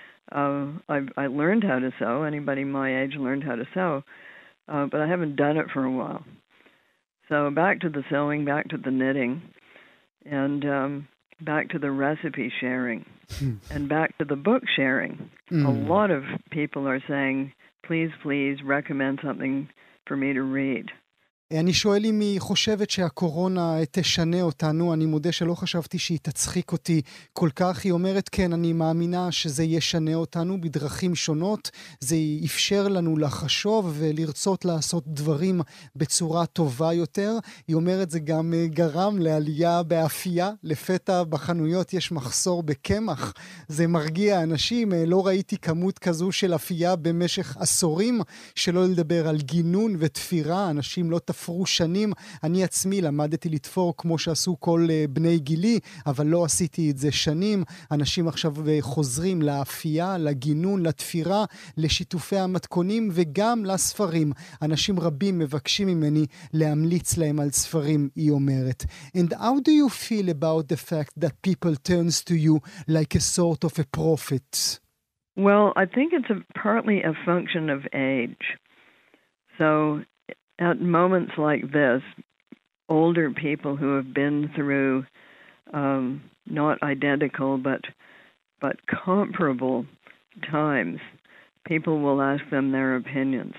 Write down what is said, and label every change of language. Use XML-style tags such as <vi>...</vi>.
<en>I learned how to sew. Anybody my age learned how to sew, but I haven't done it for a while. So back to the sewing, back to the knitting, and back to the recipe sharing, and back to the book sharing. Mm. A lot of people are saying, please, please recommend something for me to read.</en> <he>אני שואל אם היא חושבת שהקורונה תשנה אותנו, אני מודה שלא חשבתי שהיא תצחיק אותי כל כך, היא אומרת כן, אני מאמינה שזה ישנה אותנו בדרכים שונות, זה אפשר לנו לחשוב ולרצות לעשות דברים בצורה טובה יותר, היא אומרת זה גם גרם לעלייה באפייה, לפתע בחנויות יש מחסור בכמח, זה מרגיע אנשים, לא ראיתי כמות כזו של אפייה במשך עשורים, שלא לדבר על גינון ותפירה, אנשים לא תפרו שנים, אני עצמי למדתי לתפור כמו שעשו כל בני גילי, אבל לא עשיתי את זה שנים, אנשים עכשיו חוזרים לאפייה, לגינון, לתפירה, לשיתופי המתכונים וגם לספרים, אנשים רבים מבקשים ממני להמליץ להם על ספרים, היא אומרת.</he> <en>And how do you feel about the fact that people turns to you like a sort of a prophet? Well, I think it's partly a function of age. So at moments like this, older people who have been through not identical but comparable times, people will ask them their opinion.</en>